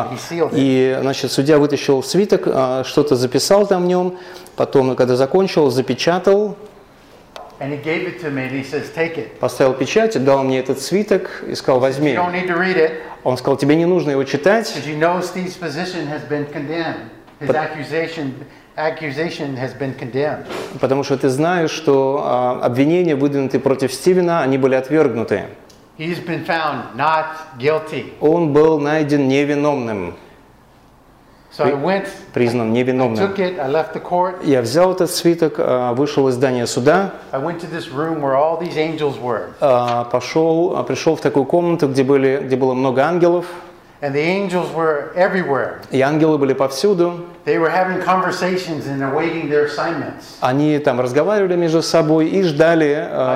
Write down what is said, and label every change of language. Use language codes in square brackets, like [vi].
[ru] Судья вытащил свиток, что-то записал там в нем, потом, когда закончил, запечатал. [en] And he gave it to me and he says, take it. [ru] Поставил печать, дал мне этот свиток и сказал, возьми. [en] You don't need to read it. [ru] Он сказал, тебе не нужно его читать. [en] Because you know Steve's position has been condemned. His accusation has been condemned. [ru] Потому что ты знаешь, что обвинения, выдвинутые против Стивена, они были отвергнуты. [en] He's been found not guilty. [ru] Он был найден невиновным. [en] So I went, [ru] признан невиновным. [en] I took it, I left the court. [ru] Я взял этот свиток, вышел из здания суда. [en] I went to this room where all these angels were. [ru] Пришел в такую комнату, где было много ангелов. [en] And the angels were everywhere. [ru] И ангелы были повсюду. [en] They were having conversations and awaiting their assignments. [ru] Они там разговаривали между собой и ждали.